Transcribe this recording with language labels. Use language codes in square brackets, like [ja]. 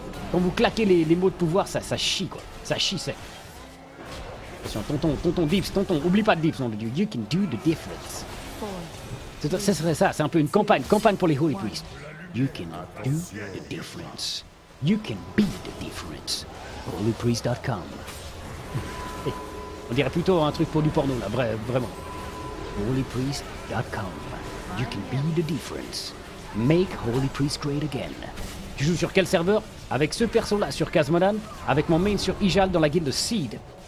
[fr] Quand vous claquez les mots de pouvoir, ça chie quoi. Ça chie, c'est. Attention, tonton, dips, tonton, oublie pas de dips, non, [en] you can do the difference. [fr] Ce serait ça, c'est un peu une campagne pour les Holy Priests. [en] You can do the difference. You can be the difference. Holypriest.com. [fr] On dirait plutôt un truc pour du porno, là, vraiment. [en] Holypriest.com. You can be the difference. Make Holy Priest great again. [fr] Tu joues sur quel serveur? Avec ce perso-là sur Kazmodan, avec mon main sur Ijal dans la guilde Seed.